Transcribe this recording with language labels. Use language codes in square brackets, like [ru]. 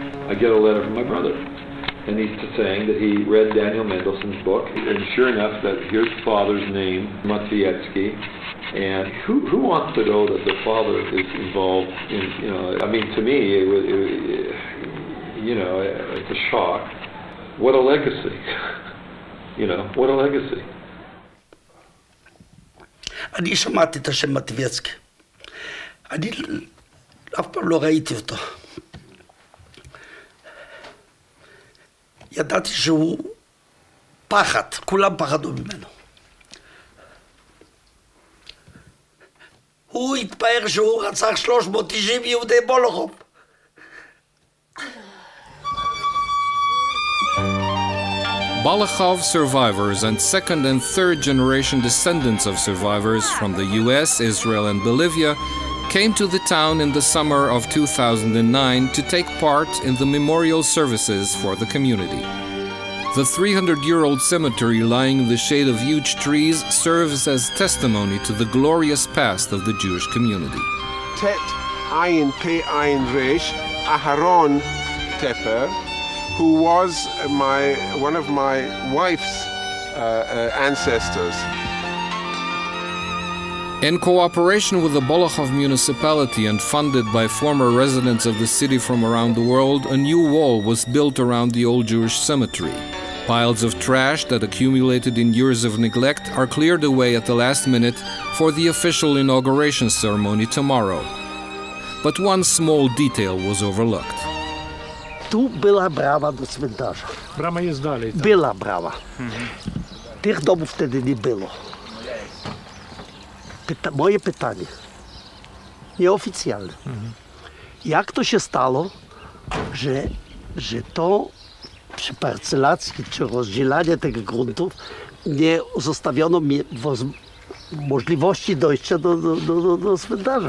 [en] I get a letter from my brother, and he's saying that he read Daniel Mendelssohn's book, and sure enough, that here's the father's name, Matwiecki, and who wants to know that the father is involved in, you know, I mean, to me, it's a shock. What a legacy, you know, what a legacy. [he] אני שמעתי את השם מטוויצקי. אני אף פעם לא ראיתי אותו. ידעתי שהוא פחד, כולם פחדו ממנו. הוא התפאר שהוא רצח 390 יהודי בולוכוב. [en] Bolochov survivors and second and third generation descendants of survivors from the US, Israel and Bolivia came to the town in the summer of 2009 to take part in the memorial services for the community. The 300-year-old cemetery lying in the shade of huge trees serves as testimony to the glorious past of the Jewish community. Tet Ayin Pe Ayin Resh Aharon Teper, who was one of my wife's ancestors. In cooperation with the Bolokhov municipality and funded by former residents of the city from around the world, a new wall was built around the old Jewish cemetery. Piles of trash that accumulated in years of neglect are cleared away at the last minute for the official inauguration ceremony tomorrow. But one small detail was overlooked. [pl] Tu była brama do cmentarza. Brama jest dalej. Tak? Była brama. Tych domów wtedy nie było. Moje pytanie, nieoficjalne. Jak to się stało, że to przy parcelacji czy rozdzielaniu tych gruntów nie zostawiono mi możliwości dojścia do cmentarza?